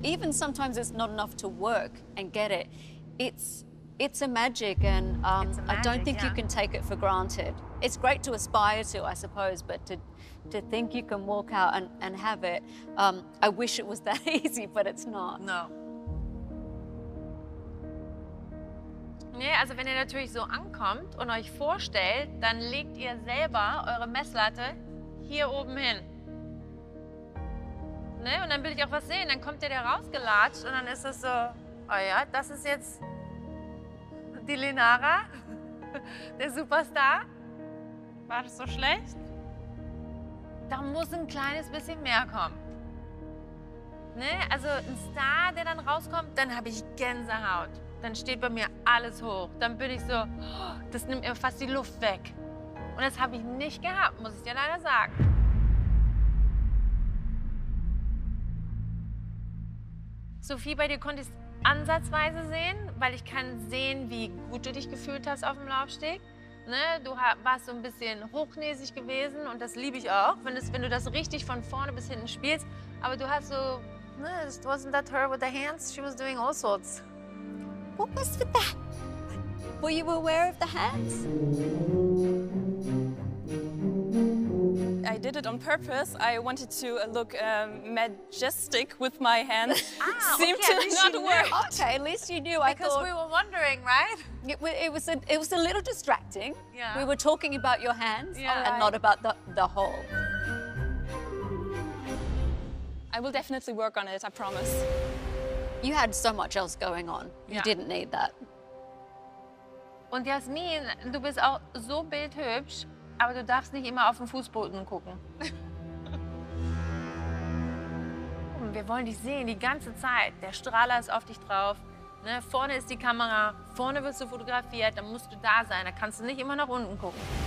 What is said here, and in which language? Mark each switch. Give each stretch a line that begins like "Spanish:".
English: Even sometimes it's not enough to work and get it. It's a magic, and magic, I don't think yeah. you can take it for granted. It's great to aspire to, I suppose, but to think you can walk out and have it, I wish it was that easy, but it's not. No.
German: Nee, also wenn ihr natürlich so ankommt und euch vorstellt, dann legt ihr selber eure Messlatte hier oben hin. Ne? Und dann will ich auch was sehen. Dann kommt ihr da rausgelatscht und dann ist es so, oh ja, das ist jetzt die Lenara, der Superstar. War das so schlecht? Da muss ein kleines bisschen mehr kommen. Ne? Also ein Star, der dann rauskommt, dann habe ich Gänsehaut. Dann steht bei mir alles hoch. Dann bin ich so, das nimmt mir fast die Luft weg. Und das habe ich nicht gehabt, muss ich dir leider sagen. Sophie, bei dir konnte ich es ansatzweise sehen, weil ich kann sehen, wie gut du dich gefühlt hast auf dem Laufsteg. Ne? Du warst so ein bisschen hochnäsig gewesen und das liebe ich auch, wenn du das richtig von vorne bis hinten spielst. Aber du hast so, ne,
English: it wasn't that her with the hands, she was doing all sorts. What was with that? Were you aware of the hands? I did it on purpose. I wanted to look majestic with my hands. Ah, seemed okay, to not work. Okay, at least you knew. Because we were wondering, right? It was a little distracting. Yeah. We were talking about your hands yeah. and not about the whole. I will definitely work on it, I promise. You had so much else going on. You yeah. didn't need that.
German: Und Jasmin, du bist auch so bildhübsch, aber du darfst nicht immer auf den Fußboden gucken. Wir wollen dich sehen die ganze Zeit. Der Strahler ist auf dich drauf. Ne? Vorne ist die Kamera. Vorne wirst du fotografiert. Dann musst du da sein. Da kannst du nicht immer nach unten gucken.